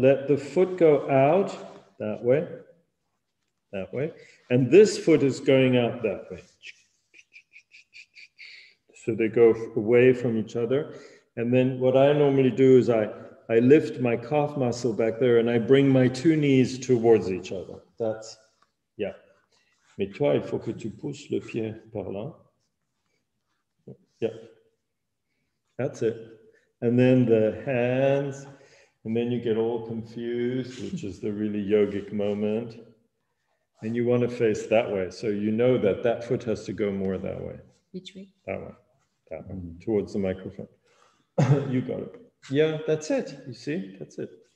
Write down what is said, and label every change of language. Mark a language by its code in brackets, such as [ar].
[en] Let the foot go out that way, that way. And this foot is going out that way. So they go away from each other. And then what I normally do is I lift my calf muscle back there and I bring my two knees towards each other. That's, yeah. [fr] Mais toi, il faut que tu pousses le pied par là. [en] Yeah. That's it. And then the hands, and then you get all confused, which is the really yogic moment. And you want to face that way. So you know that that foot has to go more that way. Which way? That one. That one. Towards the microphone. You got it. Yeah, that's it. You see? That's it.